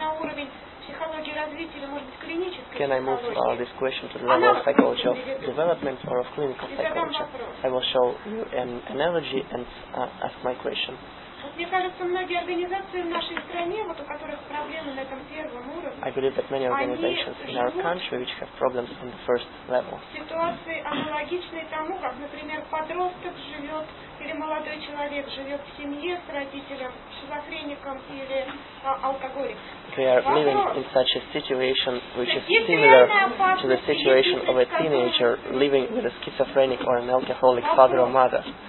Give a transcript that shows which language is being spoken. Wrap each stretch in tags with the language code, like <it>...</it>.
<en>Can I move this question to the level of psychology of development or of clinical psychology? I will show you an analogy and ask my question.</en> <ru>Мне кажется, многие организации в нашей стране, вот у которых проблемы на этом первом уровне,</ru> <en>I believe that many organizations in our country which have problems on the first level.</en> <ru>Ситуации аналогичные тому, как, например, подросток живет или молодой человек живет в семье с родителем, шизофреником или алкоголиком.</ru> <en>They are living in such a situation which is similar to the situation of a teenager living with a schizophrenic or an alcoholic father or mother.</en>